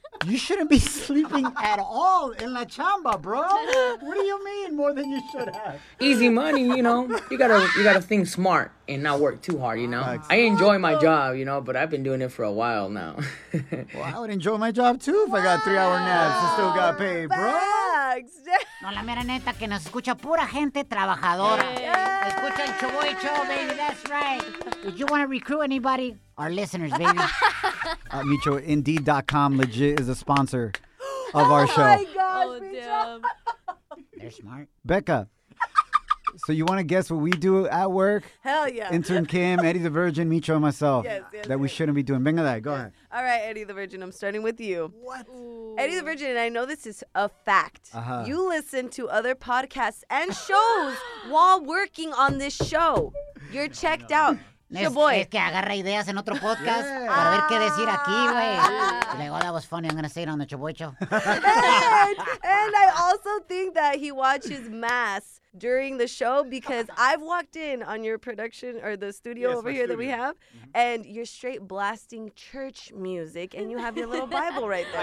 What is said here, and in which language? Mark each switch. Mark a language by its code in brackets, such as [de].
[en] You shouldn't be sleeping at all in La Chamba, bro. What do you mean more than you should have? Easy money, you know. You gotta think smart and not work too hard, you know. I enjoy my job, you know, but I've been doing it for a while now. Well, I would enjoy my job too if I got 3 hour naps and still got paid, bro. [es] No, la mera neta que nos escucha pura gente trabajadora. Escucha el Shaboy Show, baby. [en] That's right. Did you want to recruit anybody? Our listeners, baby. MichoIndeed.com legit is a sponsor of our show. Oh, my gosh, Micho. They're smart. Becca, so you want to guess what we do at work? Hell yeah. Intern Kim, Eddie the Virgin, Micho, and myself. Yes, we shouldn't be doing. Bring that. Go ahead. All right, Eddie the Virgin, I'm starting with you. What? Ooh. Eddie the Virgin, and I know this is a fact. Uh-huh. You listen to other podcasts and shows while working on this show. You're checked out. Shaboy. [es] Es que agarra ideas en otro podcast para ver qué decir aquí, güey. [en] Like, oh, that was funny. I'm going to say it on the Shaboy Show. And I also think that he watches Mass during the show because I've walked in on your production or the studio over here that we have, and you're straight blasting church music, and you have your little Bible right there.